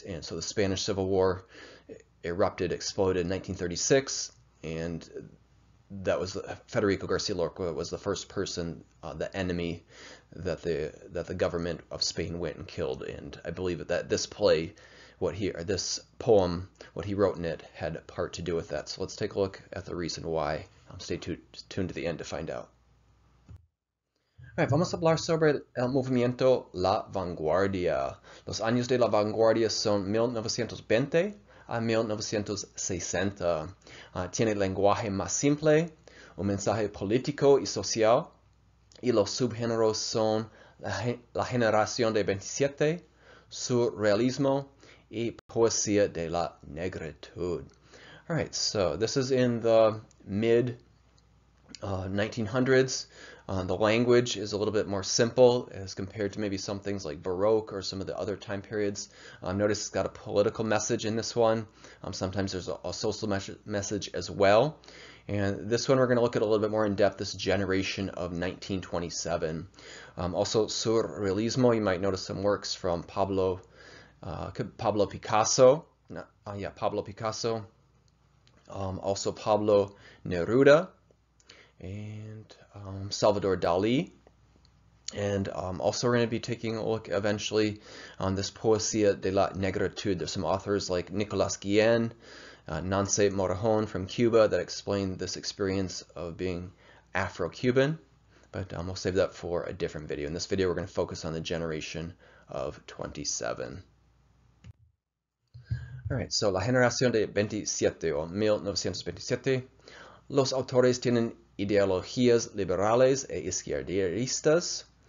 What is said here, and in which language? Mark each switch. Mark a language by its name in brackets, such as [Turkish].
[English] And so the Spanish Civil War erupted, exploded in 1936, and that was Federico García Lorca was the first person, the enemy, that the government of Spain went and killed. And I believe that this play, this poem, what he wrote in it, had part to do with that. So let's take a look at the reason why. Stay tuned to the end to find out. All right, [Spanish] vamos a hablar sobre el movimiento La Vanguardia. Los años de La Vanguardia son 1920. A 1960. Tiene lenguaje más simple, un mensaje político y social, y los subgéneros son la generación de 27, surrealismo, y poesía de la negritud. [English] All right, so this is in the mid 1900s. The language is a little bit more simple as compared to maybe some things like Baroque or some of the other time periods. Notice it's got a political message in this one. Sometimes there's a social message as well. And this one we're going to look at a little bit more in depth, this generation of 1927. Also, surrealismo, you might notice some works from Pablo Picasso. Pablo Picasso. Also, Pablo Neruda. And Salvador Dali. And also we're going to be taking a look eventually on this poesía de la negritud. There's some authors like Nicolás Guillén, Nancy Morajón from Cuba that explain this experience of being Afro-Cuban. But we'll save that for a different video. In this video, we're going to focus on the generation of 27. All right, so [Spanish] la generación de 27, o 1927. Los autores tienen ideologías liberales e izquierdistas.